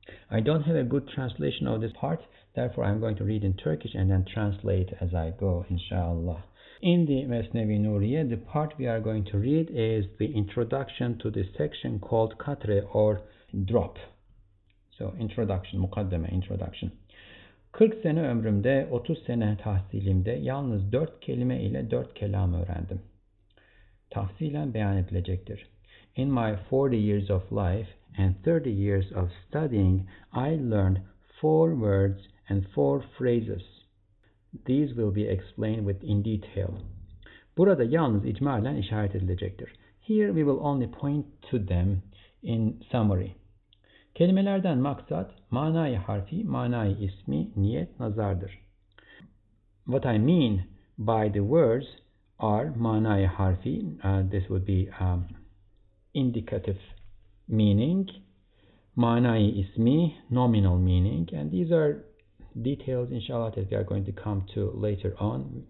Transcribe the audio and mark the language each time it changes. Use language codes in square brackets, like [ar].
[en] I don't have a good translation of this part, therefore I'm going to read in Turkish and then translate as I go, inshallah. In the Mesnevi Nuriye, the part we are going to read is the introduction to the section called Katre or Drop. So introduction, mukaddeme, introduction. [tr] 40 sene ömrümde, 30 sene tahsilimde yalnız 4 kelime ile 4 kelam öğrendim. Tahsilen beyan edilecektir. [en] In my 40 years of life and 30 years of studying, I learned 4 words and 4 phrases. These will be explained in detail. [tr] Burada yalnız icmalen işaret edilecektir. [en] Here we will only point to them in summary. [tr] Kelimelerden maksat, manayı harfi, manayı ismi, niyet, nazardır. [en] What I mean by the words are manayı harfi, this would be indicative meaning, manayı ismi, nominal meaning, and these are details, inshallah, that we are going to come to later on.